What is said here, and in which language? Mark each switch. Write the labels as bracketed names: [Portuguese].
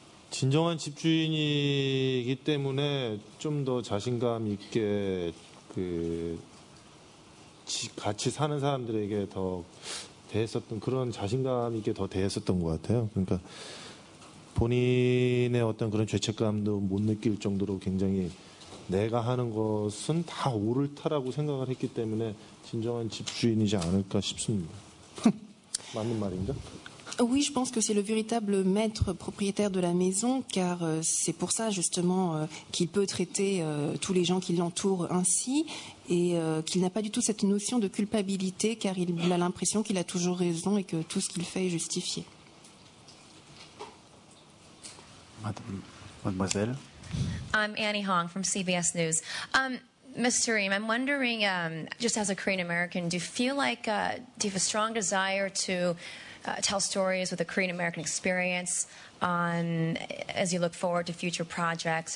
[Korean] 진정한 집 주인이기 때문에 좀 더 자신감 있게 그 같이 사는 사람들에게 더 대했었던 그런 자신감 있게 더 대했었던 것 같아요. 그러니까 본인의 어떤 그런 죄책감도 못 느낄 정도로 굉장히 내가 하는 것은 다 옳다라고 생각을 했기 때문에 진정한 집주인이지 않을까 싶습니다. 맞는 말인가? [French] Oui, je pense que c'est le véritable maître propriétaire de la maison, car c'est pour ça justement qu'il peut traiter tous les gens qui l'entourent ainsi, et qu'il n'a pas du tout cette notion de culpabilité, car il a l'impression qu'il a toujours raison et que tout ce qu'il fait est justifié. Mademoiselle. [English] I'm Annie Hong from CBS News. Ms. Tareem, I'm wondering, just as a Korean American, do you feel like do you have a strong desire to tell stories with a Korean American experience on as you look forward to future projects?